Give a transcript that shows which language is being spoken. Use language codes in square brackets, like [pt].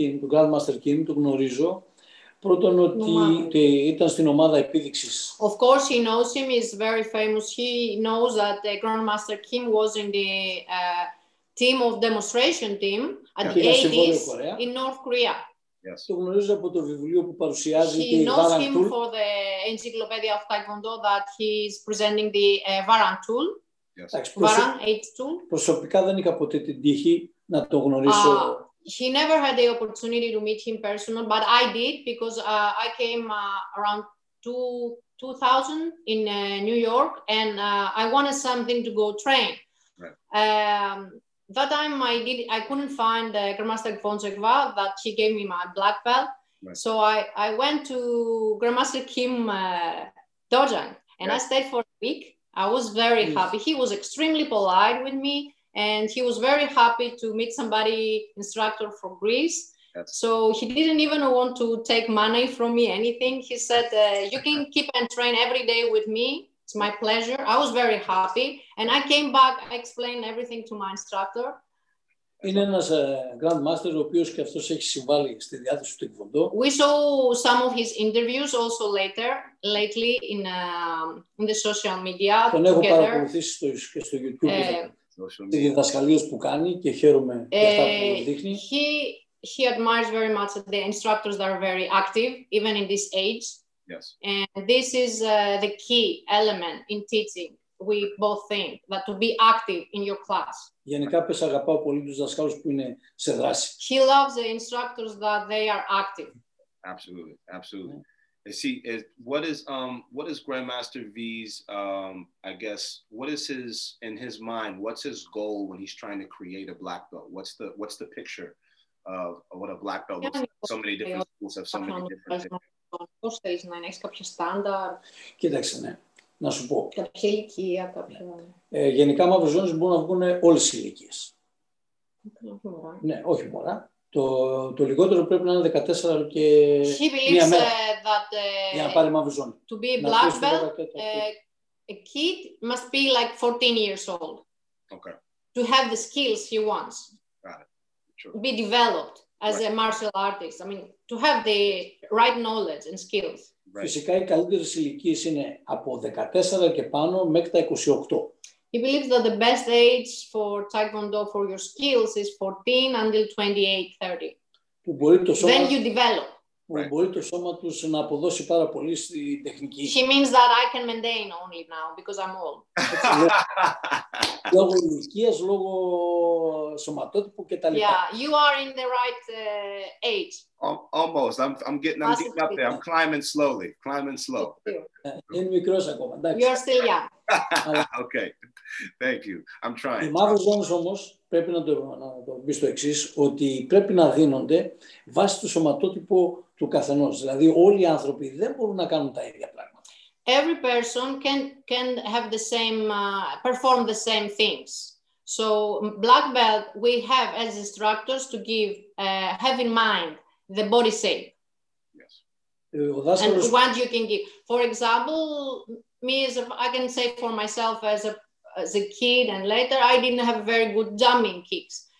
[el] Grandmaster Kim, το γνωρίζω. Πρώτον ότι ήταν στην ομάδα επίδειξης. [en] Of course he knows him, he's very famous. He knows that Grandmaster Kim was in the team of demonstration team at the 80s in North Korea. Yes. [el] Το γνωρίζω από το βιβλίο που παρουσιάζει και η [en] Varang Tool. He knows him for the Encyclopedia of Taekwondo that he's presenting the Varang Tool. Yes. Varang 8 Tool. [el] Προσωπικά δεν είχα ποτέ την τύχη να το γνωρίσω. [en] He never had the opportunity to meet him personally, but I did because I came around 2000 in New York and I wanted something to go train. Right. That time I couldn't find Grandmaster Gvonsekva that he gave me my black belt. Right. So I went to Grandmaster Kim Dojang and yeah. I stayed for a week. I was very happy. He was extremely polite with me. And he was very happy to meet somebody, instructor from Greece. Yes. So he didn't even want to take money from me, anything. He said, you can keep and train every day with me. It's my pleasure. I was very happy. And I came back, I explained everything to my instructor. [el] Είναι ένας Grand Master ο οποίος και αυτός έχει συμβάλει στη διάθεση του Taekwondo. [en] We saw some of his interviews also lately in the social media. [el] Τον έχω παρακολουθήσει και στο YouTube τις διδασκαλίες που κάνει και χαίρομαι για αυτά που δείχνει. [en] He admires very much the instructors that are very active, even in this age. Yes. And this is the key element in teaching. We both think that to be active in your class. [el] Γενικά, πες αγαπάω πολύ τους δασκάλους που είναι σε δράση. [en] He loves the instructors that they are active. Absolutely, absolutely. Yeah. And see, what is Grandmaster V's? What is his in his mind? What's his goal when he's trying to create a black belt? What's the picture of what a black belt looks like? So many different schools have so many different things. [el] Πώς θέλεις να έχεις κάποια στάνταρ. Κοίταξε, ναι. Να σου πω. Κάποια ηλικία, κάποια. Γενικά, μαύρες ζώνες μπορούν να βγουν όλες οι ηλικίες. Ναι, όχι μωρά. Το λιγότερο πρέπει να είναι 14 και μία μέρα. Για να πάρει μαύρη ζώνη. [en] To be a black belt, a kid must be like 14 years old. Okay. To have the skills he wants. Sure. Be developed as right. a martial artist. I mean, to have the right knowledge and skills. Right. [el] Φυσικά οι καλύτερες ηλικίες είναι από 14 και πάνω μέχρι τα 28. [en] He believes that the best age for Taekwondo for your skills is 14 until 28, 30. Then you develop. [el] Που μπορεί το σώμα τους να αποδώσει πάρα πολύ στη τεχνική. [en] He means that I can maintain only now because I'm old. [el] Λόγω ηλικίας, λόγω σωματότυπου και τα λοιπά. [en] Yeah, you are in the right age. Almost. I'm getting up there. I'm climbing slowly. Climbing slow. [el] Είναι μικρός ακόμα. [en] You are still young. Okay. Thank you. I'm trying. [el] Οι μαύρες ζώνες όμως πρέπει να το πει στο εξής, ότι πρέπει να δίνονται βάσει του σωματότυπου του καθενός. Δηλαδή όλοι οι άνθρωποι δεν μπορούν να κάνουν τα ίδια πράγματα. [en] Every person can have the same perform the same things. So black belt, we have as instructors to give have in mind the body shape. Yes. And what you can give. For example, me as a, I can say for myself as a kid and later I didn't have very good jumping kicks.